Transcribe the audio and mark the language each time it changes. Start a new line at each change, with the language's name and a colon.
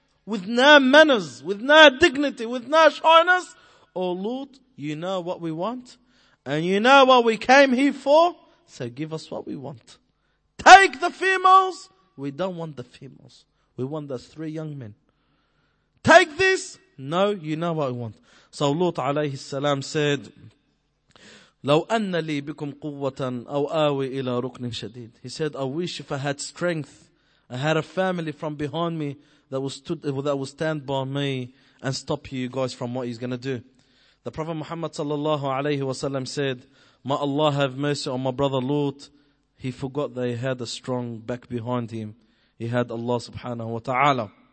English: With no manners, with no dignity, with no shyness. Oh Lord, you know what we want. And you know what we came here for. So give us what we want. Take the females. We don't want the females. We want those three young men. Take this. No, you know what we want. So Lut alayhi salam said,
Arabic: لو أن لي بكم قوة أو آوي إلى ركن شديد.
English: He said, I wish if I had strength, I had a family from behind me, that will stand by me and stop you guys from what he's gonna do. The Prophet Muhammad sallallahu alayhi wa sallam said, may Allah have mercy on my brother Lut. He forgot that he had a strong back behind him. He had Allah subhanahu wa ta'ala.